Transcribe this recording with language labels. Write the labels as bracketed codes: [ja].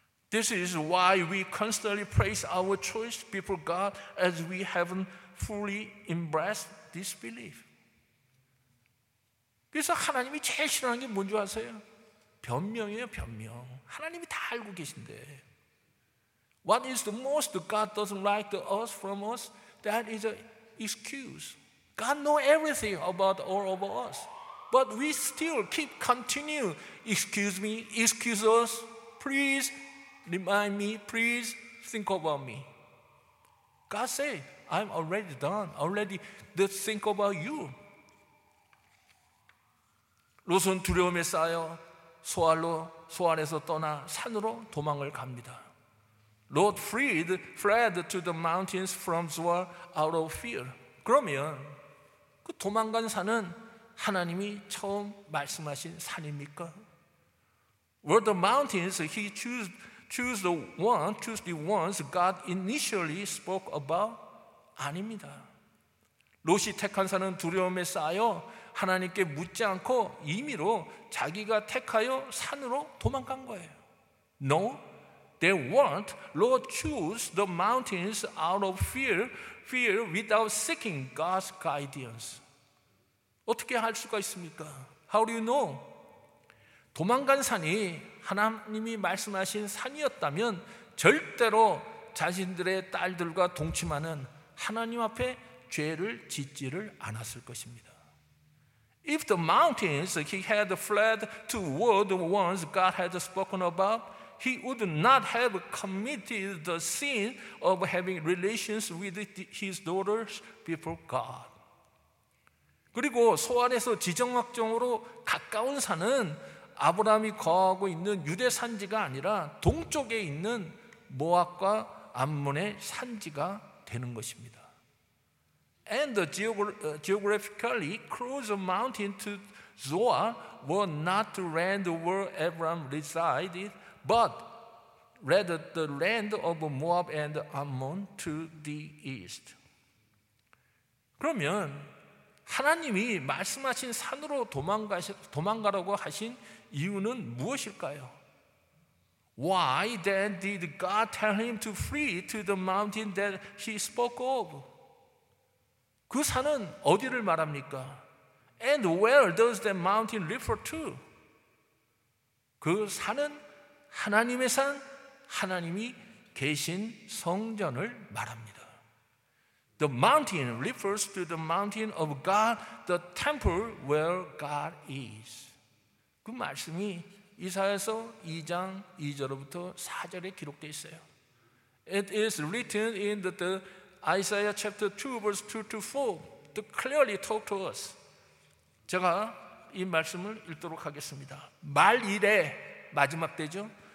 [en] This is why we constantly place our choice before God as we haven't fully embraced this belief. [ko] 그래서 하나님이 제일 싫어하는 게 뭔지 아세요? 변명이에요, 변명. 하나님이 다 알고 계신데. [en] What is the most God doesn't like to us from us? That is an excuse. God knows everything about all of us. But we still keep continue. Excuse me, excuse us. Please remind me. Please think about me. God said, I'm already done. Already think about you. [ko] 롯은 두려움에 쌓여 소알에서 떠나 산으로 도망을 갑니다. [en] Lord fled to the mountains from Zoar out of fear. [ko] 그러면 그 도망간 산은 하나님이 처음 말씀하신 산입니까? [en] Were the mountains he chose the ones God initially spoke about? [ko] 아닙니다. 롯이 택한 산은 두려움에 쌓여 하나님께 묻지 않고 임의로 자기가 택하여 산으로 도망간 거예요. [en] No. They weren't. Lord chose the mountains out of fear without seeking God's guidance. [ko] 어떻게 할 수가 있습니까? [en] How do you know? [ko] 도망간 산이 하나님이 말씀하신 산이었다면 절대로 자신들의 딸들과 동침하는 하나님 앞에 죄를 짓지를 않았을 것입니다. [en] If the mountains he had fled to were the ones God had spoken about, he would not have committed the sin of having relations with his daughters before God. [ko] 그리고 소환에서 지정학적으로 가까운 산은 아브라함이 거하고 있는 유대 산지가 아니라 동쪽에 있는 모압과 암몬의 산지가 되는 것입니다. [en] And geographically, close mountain to Zoar were not the land where Abraham resided, but rather the land of Moab and Ammon to the east. [ko] 그러면 하나님이 말씀하신 산으로 도망가라고 하신 이유는 무엇일까요? [en] Why then did God tell him to flee to the mountain that he spoke of? [ko] 그 산은 어디를 말합니까? [en] And where does that mountain refer to? [ko] 그 산은 하나님의 산, 하나님이 계신 성전을 말합니다. [en] The mountain refers to the mountain of God, the temple where God is. [ko] 그 말씀이 이사야서 2장 2절부터 4절에 기록되어 있어요. [en] It is written in the Isaiah chapter 2 verse 2 to 4 to clearly talk to us. [ko] 제가 이 말씀을 읽도록 하겠습니다. 말 이래, 마지막 때죠.